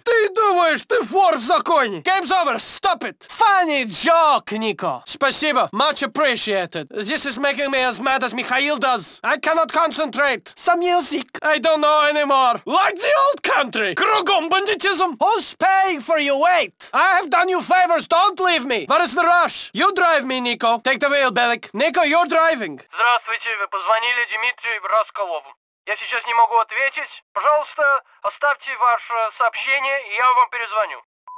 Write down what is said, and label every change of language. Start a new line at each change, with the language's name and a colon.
Russian: Ты думаешь, ты вор в законе?
English: Game's over, stop it! Funny joke, Nico!
Russian: Спасибо,
English: much appreciated. This is making me as mad as Mikhail does. I cannot concentrate. Some music. I don't know anymore. Like the old country!
Russian: Кругом бандитизм!
English: Who's paying for your weight? I have done you favors, don't leave me! What is the rush? You drive me, Nico. Take the wheel, Belek. Nico, you're driving.
Russian: Здравствуйте, вы позвонили Дмитрию Расколову. Я сейчас не могу ответить. Пожалуйста, оставьте ваше сообщение, и я вам перезвоню.